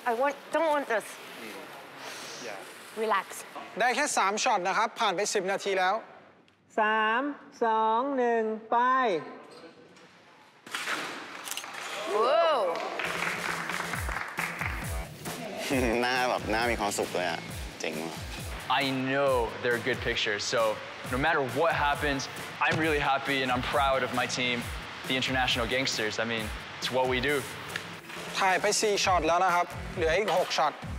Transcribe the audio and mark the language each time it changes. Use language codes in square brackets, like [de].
[en] I don't want this. Relax. [th] ได้แค่3ช็อตนะครับผ่านไป10นาทีแล้ว 3 2 1ไป โ หน้าแบบหน้ามีความสุขเลยอ่ะจริง [en] I know they're good pictures so no matter what happens I'm really happy and I'm proud of my team the international gangsters I mean it's what we do [th] ถ่ายไป4ช็อตแล้วนะครับเหลืออีก6ช็อต